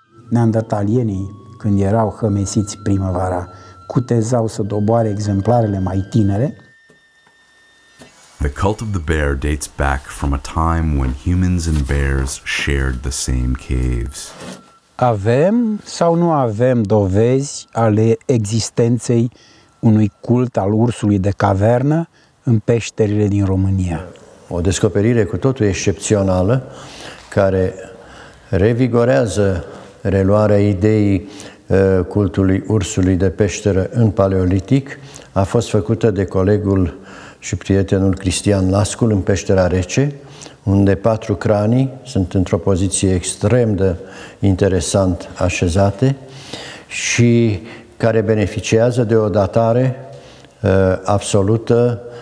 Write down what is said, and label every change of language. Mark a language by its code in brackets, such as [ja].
[ro] Neandertalienii, când erau hămesiți primăvara, cutezau să doboare exemplarele mai tinere. [en] The cult of the bear dates back from a time when humans and bears shared the same caves. [ro] Avem sau nu avem dovezi ale existenței unui cult al ursului de cavernă în peșterile din România? O descoperire cu totul excepțională care revigorează reluarea ideii cultului ursului de peșteră în paleolitic a fost făcută de colegul și prietenul Cristian Lascu în peștera rece, unde patru cranii sunt într-o poziție extrem de interesant așezate și care beneficiază de o datare absolută